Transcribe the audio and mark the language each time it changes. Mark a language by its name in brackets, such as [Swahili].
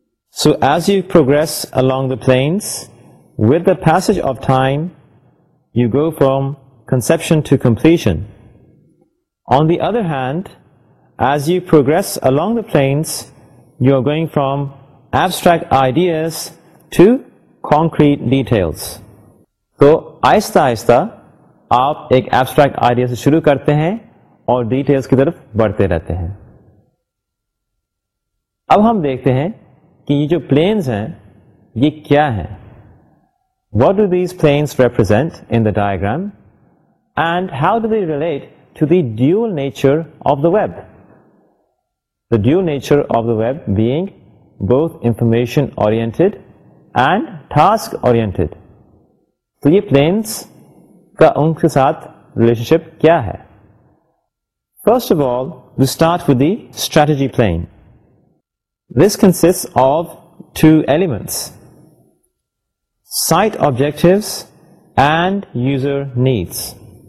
[English] So as you progress along the planes, with the passage of time, you go from conception to completion. On the other hand, as you progress along the planes, you are going from abstract ideas to concrete details. [Urdu] تو آہستہ آہستہ آپ ایک abstract idea سے شروع کرتے ہیں اور ڈیٹیلز کی طرف بڑھتے رہتے ہیں. اب ہم دیکھتے ہیں کہ یہ جو پلینز ہیں یہ کیا ہیں. [English] What do these planes represent in the diagram and how do they relate to the dual nature of the web? The dual nature of the web being both information oriented and task oriented. [Urdu] تو یہ planes کا ان کے ساتھ relation شپ کیا ہے. [English] First of all we start with the strategy plan. This consists of two elements, site objectives and user needs.